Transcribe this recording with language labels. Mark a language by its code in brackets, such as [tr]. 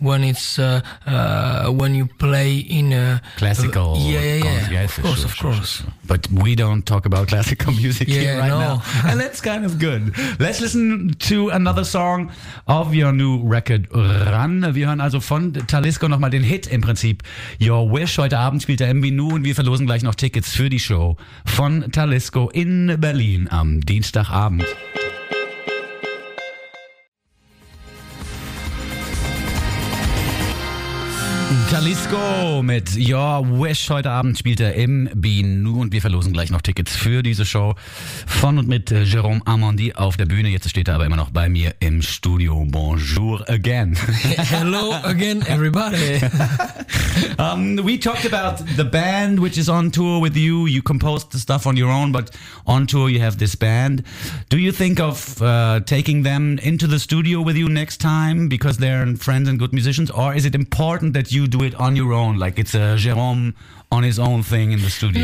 [en] When it's when you play in a classical. Yeah, of course. But we don't talk about classical music here right now. And that's kind of good. Let's listen to another song of your new record, Run. [de] Wir hören also von Jalisco nochmal den Hit im Prinzip, Your Wish. Heute Abend spielt der MBNU und wir verlosen gleich noch Tickets für die Show von Jalisco in Berlin am Dienstagabend. Mhm. Talisco mit Your Wish. Heute Abend spielt er im Binu und wir verlosen gleich noch Tickets für diese Show von und mit Jérôme Armandy auf der Bühne. Jetzt steht er aber immer noch bei mir im Studio. [en] Bonjour again. Hello again, everybody. We talked about the band which is on tour with you. You composed the stuff on your own, but on tour you have this band. Do you think of taking them into the studio with you next time because they're friends and good musicians, or is it important that you do it on your own, like it's a Jérôme on his own thing in the studio?